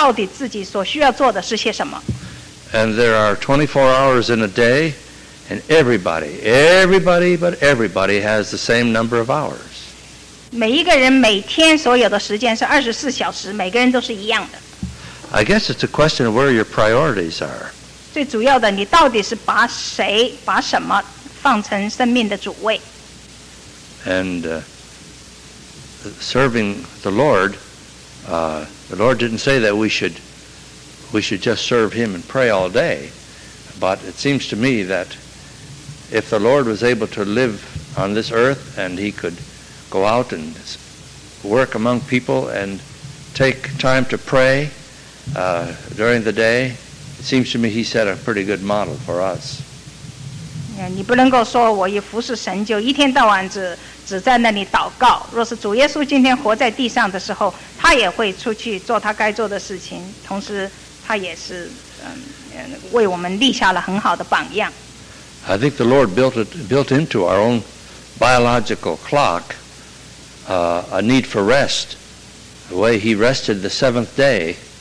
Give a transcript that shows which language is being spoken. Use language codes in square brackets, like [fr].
[zh] 你说我好像在我自己的事业上，我需要一些时间和精力，就没有时间来服侍神。我的问题就是说，你到底自己所需要做的是些什么？ [en] And there are 24 hours in a day, and everybody has the same number of hours. [zh] 每一个人每天所有的时间是24小时，每个人都是一样的。 [en] I guess it's a question of where your priorities are. [zh] 最主要的，你到底是把谁、把什么放成生命的主位？ [en] And serving the Lord, the Lord didn't say that we should just serve Him and pray all day. But it seems to me that if the Lord was able to live on this earth and He could go out and work among people and take time to pray during the day. It seems to me He set a pretty good model for us. Yeah, [zh] 你不能够说我以服侍神就一天到晚只在那里祷告。若是主耶稣今天活在地上的时候，他也会出去做他该做的事情，同时他也是为我们立下了很好的榜样。 [en] I think the Lord built into our own biological clock a need for rest, the way He rested the seventh day.